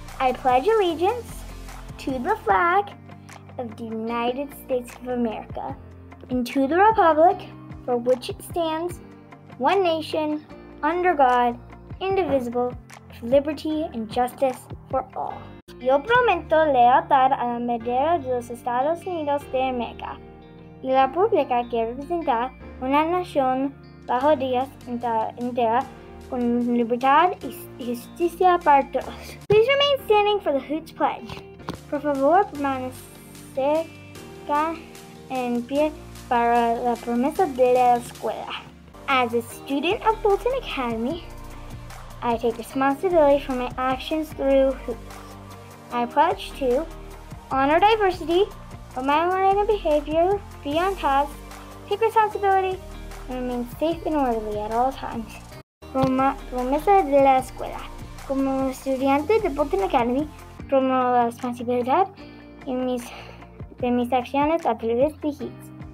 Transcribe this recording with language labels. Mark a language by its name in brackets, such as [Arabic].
[English] I pledge allegiance to the flag of the United States of America and to the Republic for which it stands, one nation, under God, indivisible, with liberty and justice for all. [Spanish] Yo prometo lealtad a la bandera de los Estados Unidos de América. Y la pública que representa una nación bajo Dios entera con libertad y justicia para todos. [English] Please remain standing for the Hoots Pledge. [Spanish] Por favor, permanezca en pie para la promesa de la escuela. [English] As a student of Bolton Academy, I take responsibility for my actions through Hoots. I pledge to honor diversity, for my learning and behavior, be on task, take responsibility, and remain safe and orderly at all times. [Spanish] Promesa de la escuela. Como estudiante de Bolton Academy, promuevo la responsabilidad de mis acciones a través de HEATS.